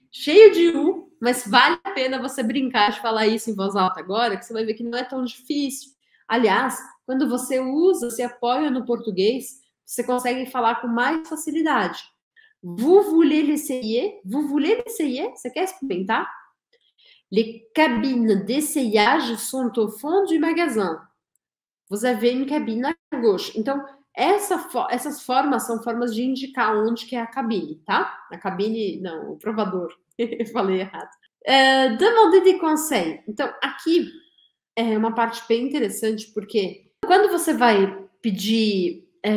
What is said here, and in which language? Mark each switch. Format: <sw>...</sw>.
<pt>Cheio de U, mas vale a pena você brincar de falar isso em voz alta agora, que você vai ver que não é tão difícil. Aliás, quando você usa, se apoia no português, você consegue falar com mais facilidade.</pt> <fr>Vous voulez l'essayer? Vous voulez l'essayer?</fr> <pt>Você quer experimentar?</pt> <fr>Les cabines d'essayage sont au fond du magasin. Vous avez une cabine à gauche.</fr> <pt>Então, essas formas são formas de indicar onde que é a cabine, tá? A cabine, não, o provador. Falei errado.</pt> <fr>Demandez des conseils.</fr> <pt>Então, aqui é uma parte bem interessante, porque quando você vai pedir.</pt>